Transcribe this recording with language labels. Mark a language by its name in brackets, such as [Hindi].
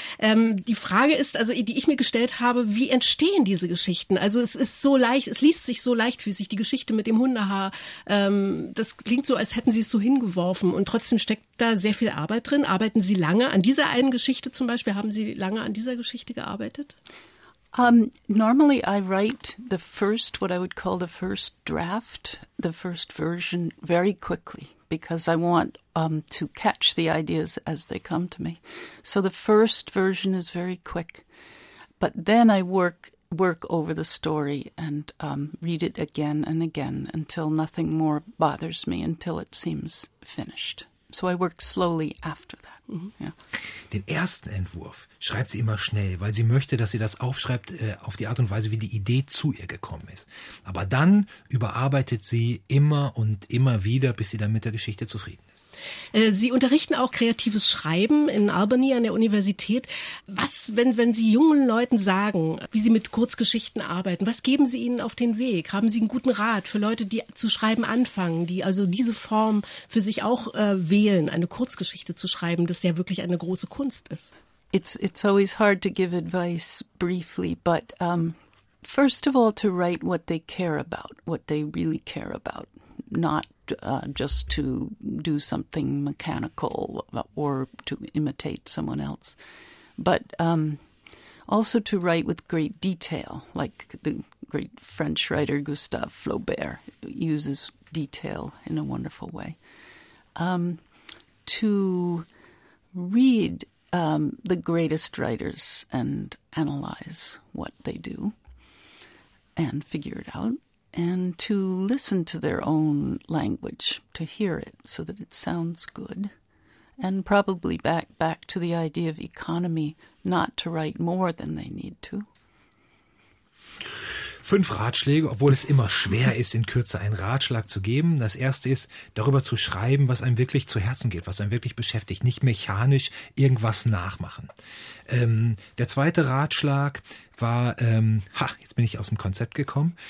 [German] Die Frage ist, also die ich mir gestellt habe, wie entstehen diese Geschichten? Also es ist so leicht, es liest sich so leichtfüßig, die Geschichte mit dem Hundehaar. Das klingt so, als hätten Sie es so hingeworfen und trotzdem steckt da sehr viel Arbeit drin. Arbeiten Sie lange an dieser einen Geschichte zum Beispiel, haben Sie lange an dieser Geschichte gearbeitet? [English] Normally I write the first, what I would call the first draft, the first version, very quickly, because I want to catch the ideas as they come to me. So the first version is very quick. But then I work over the story and read it again and again until nothing more bothers me, until it seems finished. So I work slowly after that. [German] Den ersten Entwurf schreibt sie immer schnell, weil sie möchte, dass sie das aufschreibt auf die Art und Weise, wie die Idee zu ihr gekommen ist. Aber dann überarbeitet sie immer und immer wieder, bis sie dann mit der Geschichte zufrieden ist. Sie unterrichten auch kreatives Schreiben in Albany an der Universität. Was, wenn Sie jungen Leuten sagen, wie Sie mit Kurzgeschichten arbeiten, was geben Sie ihnen auf den Weg? Haben Sie einen guten Rat für Leute, die zu schreiben anfangen, die also diese Form für sich auch wählen, eine Kurzgeschichte zu schreiben, das ja wirklich eine große Kunst ist? [English] It's always hard to give advice briefly, but first of all to write what they care about, what they really care about, not just to do something mechanical or to imitate someone else, but also to write with great detail, like the great French writer Gustave Flaubert uses detail in a wonderful way. To read the greatest writers and analyze what they do and figure it out. And to listen to their own language, to hear it so that it sounds good. And probably back to the idea of economy, not to write more than they need to. [German] 5 Ratschläge, obwohl es immer schwer ist, in Kürze einen Ratschlag zu geben. Das erste ist, darüber zu schreiben, was einem wirklich zu Herzen geht, was einem wirklich beschäftigt, nicht mechanisch irgendwas nachmachen. Der zweite Ratschlag war, jetzt bin ich aus dem Konzept gekommen.